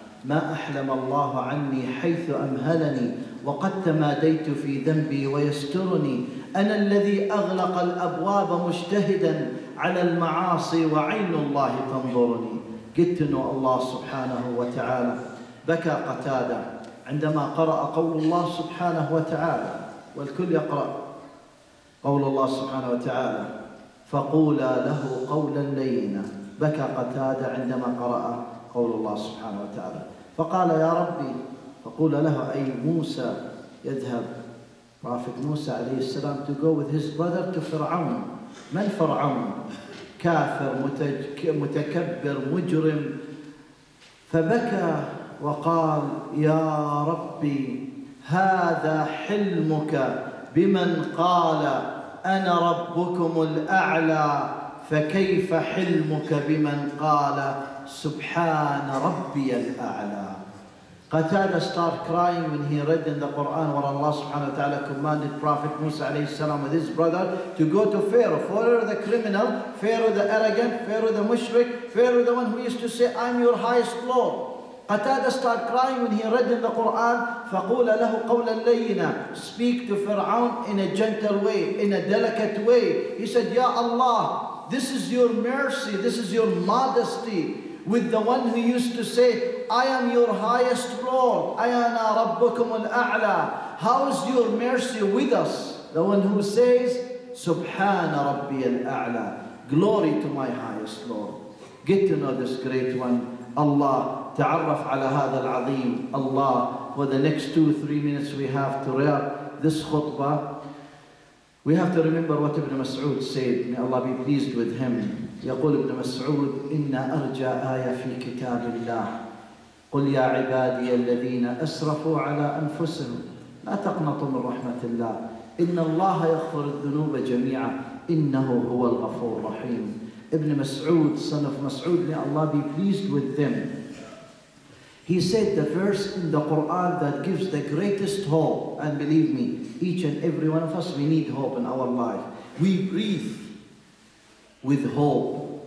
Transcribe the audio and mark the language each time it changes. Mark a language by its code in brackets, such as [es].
[ar] ما أحلم الله عني حيث أمهلني وقد تماديت في ذنبي ويسترني أنا الذي أغلق الأبواب مجتهدا على المعاصي وعين الله تنظرني. [en] Get to know Allah سبحانه وتعالى. [ar] بكى قتادة عندما قرأ قول الله سبحانه وتعالى، والكل يقرأ قول الله سبحانه وتعالى، فقولا له قولا لينا. بكى قتادة عندما قرأ قول الله سبحانه وتعالى، فقال يا ربي، فقول له أي موسى، يذهب Prophet موسى عليه السلام [en] to go with his brother to [ar] فرعون. من فرعون؟ كافر متكبر مجرم. فبكى وقال يا ربي هذا حلمك بمن قال أنا ربكم الأعلى فكيف حلمك بمن قال سبحان ربي الأعلى. [en] Qatada started crying when he read in the Quran where Allah subhanahu wa ta'ala commanded Prophet Musa alayhi salam with his brother to go to Pharaoh. Pharaoh the criminal, Pharaoh the arrogant, Pharaoh the mushrik, Pharaoh the one who used to say, I'm your highest lord. Qatada started crying when he read in the Quran, [ar] فَقُولَ لَهُ قَوْلًا لَيِّنًا. [en] Speak to Pharaoh in a gentle way, in a delicate way. He said, Ya Allah, this is your mercy, this is your modesty. With the one who used to say, I am your highest Lord, [ar] أَيَنَا رَبُّكُمْ الْأَعْلَى. [en] How is your mercy with us? The one who says, [ar] سُبْحَانَ رَبِّيَ الْأَعْلَى. [en] Glory to my highest Lord. Get to know this great one, Allah. [ar] تعرف على هذا العظيم, Allah. [en] For the next 2-3 minutes we have to wrap this khutbah. We have to remember what Ibn Mas'ud said. May Allah be pleased with him. [ar] يقول ابن مسعود إن أرجى آية في كتاب الله قل يا عبادي الذين أسرفوا على أنفسهم لا تقنطوا من رحمة الله إن الله يغفر الذنوب جميعا إنه هو الغفور الرحيم. [en] ابن مسعود, son of مسعود, may Allah be pleased with them. He said the verse in the Quran that gives the greatest hope, and believe me, each and every one of us, we need hope in our life. We breathe with hope.